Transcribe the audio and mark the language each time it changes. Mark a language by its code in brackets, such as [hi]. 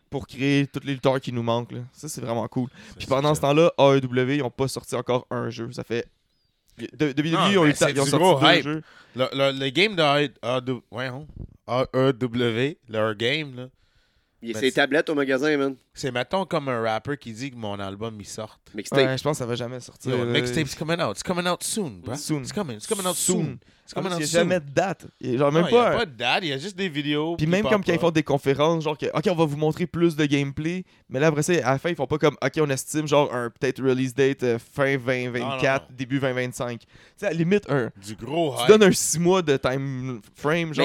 [fr] Pour créer tous les lutteurs qui nous manquent. Là. Ça c'est vraiment cool. C'est puis pendant ce temps-là, AEW, ils n'ont pas sorti encore un jeu. Ça fait. Depuis le début, ils ont sorti deux hype. Jeux. Le game de AEW, leur game. Là. Il y a ses tablettes au magasin, man. C'est mettons comme un rapper qui dit que mon album il sort. Mixtape. Ouais, je pense que ça va jamais sortir. [en] Le mixtape's coming out. It's coming out soon, bro. Soon. It's coming out soon. [fr] Il n'y a jamais de date. Genre, même non, pas il n'y a pas de date, il y a juste des vidéos. Puis même comme quand ils font des conférences, genre que, OK, on va vous montrer plus de gameplay, mais là, après ça, à la fin, ils font pas comme, OK, on estime genre un peut-être release date fin 2024, non. début 2025. Tu sais, à la limite, un. Du gros hype. Tu donnes un 6 mois de time frame, genre.